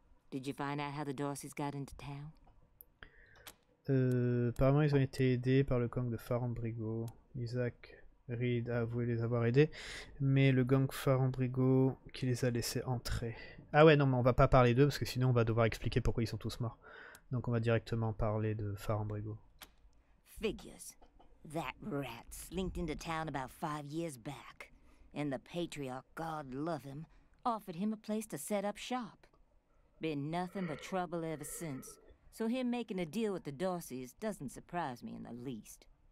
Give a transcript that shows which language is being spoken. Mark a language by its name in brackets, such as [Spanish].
[English] Did you find out how the Dorseys got into town? [French] Apparemment ils ont été aidés par le gang de Farambrigo. Isaac Reed a avoué les avoir aidés, mais le gang Farambrigo qui les a laissés entrer. Ah ouais, non, mais on va pas parler d'eux, parce que sinon on va devoir expliquer pourquoi ils sont tous morts. Donc on va directement parler de Farambrigo. [English] Figures. That rat slinked into town about 5 years back. And the patriarch, God love him, offered him a place to set up shop. Been nothing but trouble ever since. So him making a deal with the Dorseys doesn't surprise me in the least.